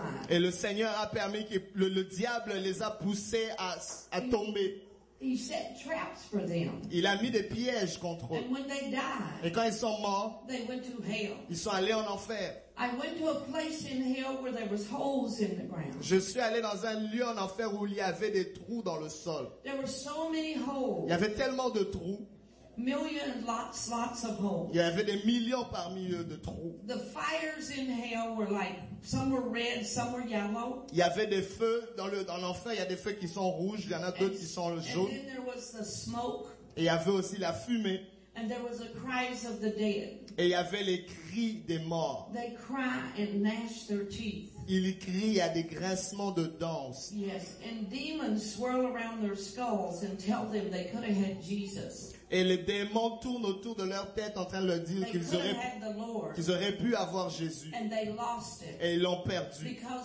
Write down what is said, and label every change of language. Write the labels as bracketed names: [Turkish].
[French] Et le Seigneur a permis que le diable les a poussés à tomber. [English] He set traps for them. [French] Il a mis des pièges contre eux. [English] And when they died, [French] et quand ils sont morts, [English] they went to hell. [French] Ils sont allés en enfer. [English] I went to a place in hell where there was holes in the ground. [French] Je suis allé dans un lieu en enfer où il y avait des trous dans le sol. [English] There were so many holes. [French] Il y avait tellement de trous. [English] Millions, lots of holes. [French] Il y avait des millions parmi eux de trous. [English] The fires in hell were like, some were red, some were yellow. [French] Il y avait des feux dans l'enfer. Il y a des feux qui sont rouges. Il y en a d'autres qui sont jaunes. [English] And then there was the smoke. [French] Et il y avait aussi la fumée. [English] And there was the cries of the dead. [French] Et il y avait les cris des morts. [English] They cry and gnash their teeth. [French] Ils crient à des grincements de dents. [English] Yes, and demons swirl around their skulls and tell them they could have had Jesus. [French] Et les démons tournent autour de leur tête en train de leur dire qu'ils auraient pu avoir Jésus. Et ils l'ont perdu.